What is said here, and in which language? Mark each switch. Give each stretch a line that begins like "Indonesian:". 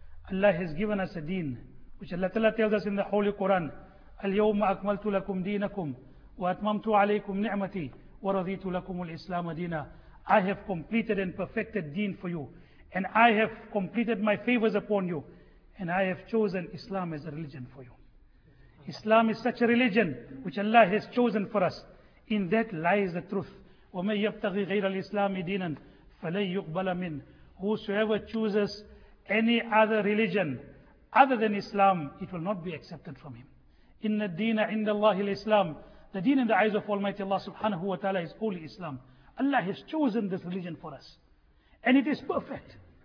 English: Allah has given us a deen, which Allah Ta'ala tells us in the Holy Quran,
Arabic: اليوم أكملت لكم دينكم وأتممت عليكم نعمتي ورضيت لكم الإسلام دينا.
English: I have completed and perfected deen for you, and I have completed my favors upon you, and I have chosen Islam as a religion for you. Islam is such a religion which Allah has chosen for us. In that lies the truth.
Arabic: ومن يبتغي غير الإسلام دينا فلن يقبل من.
English: Whosoever chooses any other religion other than Islam, it will not be accepted from him.
Arabic: إِنَّ الدِّينَ عِنْدَ اللَّهِ الْإِسْلَامِ.
English: The deen in the eyes of Almighty Allah subhanahu wa ta'ala is holy Islam. Allah has chosen this religion for us. And it is perfect.